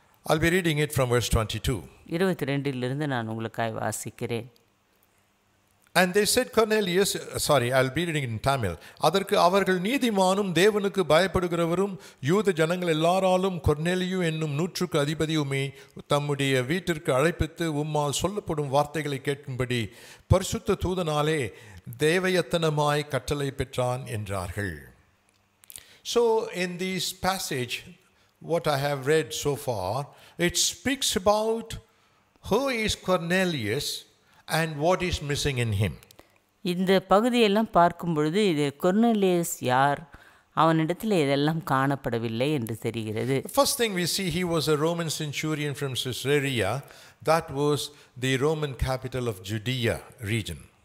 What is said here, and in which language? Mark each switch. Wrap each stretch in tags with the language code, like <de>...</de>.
<en>I'll be reading it from verse 22.</en> <ta>22-லிருந்து நான் உங்களுக்காக வாசிக்கிறேன்.</ta> <en>And they said Cornelius, I'll be reading in Tamil.</en> <ta>அதற்கு அவர்கள், நீதிமானும் தேவனுக்கு பயப்படுகிறவரும் யூத ஜனங்கள் எல்லாராலும் கொர்நேலியு என்னும் நூற்றுக்கு அதிபதியுமே தம்முடைய வீட்டிற்கு அழைப்பித்து உம்மால் சொல்லப்படும் வார்த்தைகளை கேட்கும்படி பரிசுத்த தூதனாலே தேவயத்தனமாய் கட்டளை பெற்றான் என்றார்கள்.</ta> <en>So in this passage, what I have read so far, it speaks about who is Cornelius and what is missing in him.</en> <ta>இந்த பகுதியெல்லாம் பார்க்கும் பொழுது இது கொர்நேலியஸ் யார், அவனிடத்தில் இதெல்லாம் காணப்படவில்லை என்று தெரிகிறது.</ta> <en>First thing we see, he was a Roman centurion from Caesarea. That was the Roman capital of Judea region.</en>